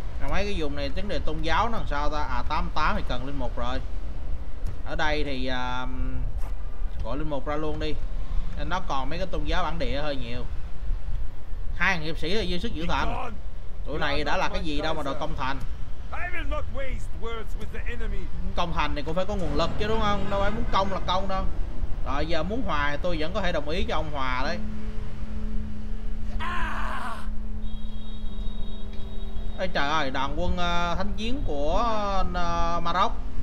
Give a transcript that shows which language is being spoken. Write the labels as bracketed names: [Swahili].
[Vietnamese] Mấy cái vùng này tiến đề tôn giáo nó làm sao ta, à 88 thì cần linh mục rồi. Ở đây thì gọi linh mục ra luôn đi, nên nó còn mấy cái tôn giáo bản địa hơi nhiều. Hai thằng hiệp sĩ là dư sức giữ thành, tụi này đã là cái gì đâu mà đòi công thành. [English] I will not waste words with the enemy. [Vietnamese] Công thành này cũng phải có nguồn lực chứ đúng không? Đâu phải muốn công là công đâu. Rồi giờ muốn hòa tôi vẫn có thể đồng ý cho ông hòa đấy. Ê trời ơi, đoàn quân thánh chiến của Maroc.